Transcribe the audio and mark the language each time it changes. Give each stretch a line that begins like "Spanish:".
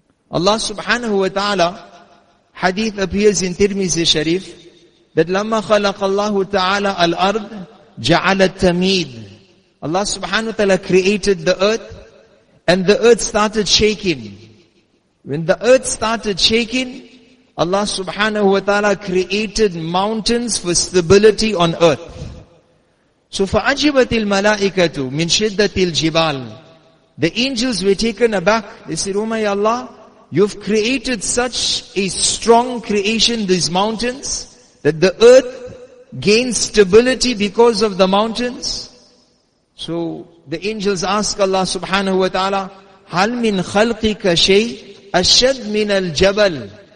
English: Allah subhanahu wa ta'ala, hadith appears in Tirmizi Sharif, that
Arabic: لما خلق الله تعالى الأرض جعل التميد.
English: Allah subhanahu wa ta'ala created the earth, and the earth started shaking. When the earth started shaking, Allah subhanahu wa ta'ala created mountains for stability on earth. So
Arabic: فعجبت الملائكة من شدة الجبال.
English: The angels were taken aback. They said, oh my Allah, you've created such a strong creation, these mountains, that the earth gains stability because of the mountains. So the angels ask Allah subhanahu wa ta'ala,
Arabic: هَلْ مِنْ خَلْقِكَ شَيْءٍ أَشَدْ مِنَ الْجَبَلِ.